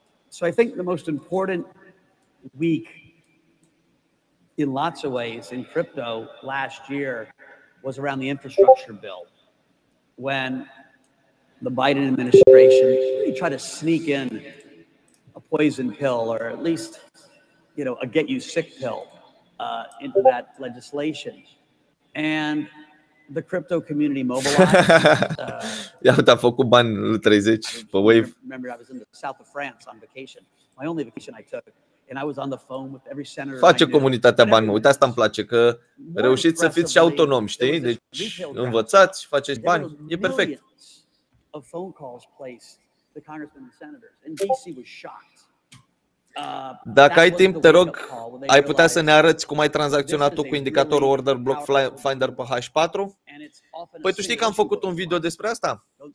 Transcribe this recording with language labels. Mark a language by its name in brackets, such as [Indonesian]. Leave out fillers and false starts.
[English] So I think the most important week in lots of ways in crypto last year was around the infrastructure bill, when the Biden administration really tried to sneak in a poison pill, or at least, you know, a get you sick pill into that legislation. And the crypto community mobilized. [Romanian] Iată, a făcut bani în 30 pe Wave. [English] Remember, I was in the south of France on vacation. My only vacation I took. And I was on the phone with every senator. [Romanian] Face comunitatea bani, mă. Uite, asta îmi place, că reușiți să fiți și autonomi, știi? Deci învățați, faceți bani. E perfect. [English] Of phone calls placed to congressmen and senators. And DC was shocked. [Romanian] Dacă ai timp, te rog, ai putea să ne arăți cum ai tranzacționat tu cu indicatorul Order Block Finder pe H4? Păi tu știi că am făcut un video despre asta?